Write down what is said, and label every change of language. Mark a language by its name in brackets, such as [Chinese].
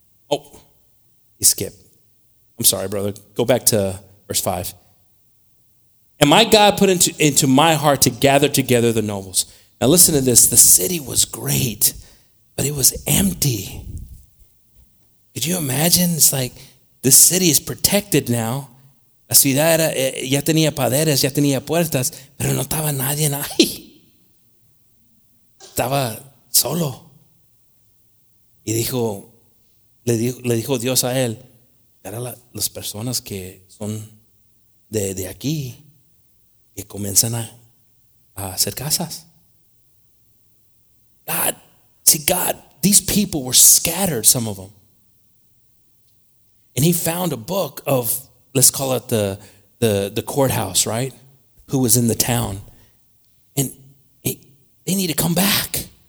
[English] Oh, he skipped. I'm sorry, brother. Go back to verse 5. And my God put into my heart to gather together the nobles. Now listen to this. The city was great, but it was empty. Could you imagine? It's like this city is protected now. [Spanish] La ciudad era, ya tenía paredes, ya tenía puertas, pero no estaba nadie ahí. Estaba solo. Y dijo, le dijo Dios a él, era las personas que son de aquí que comienzan a hacer casas. [English] God, see God, these people were scattered, some of them. And he found a book of, let's call it the courthouse, right? Who was in the town. And they need to come back.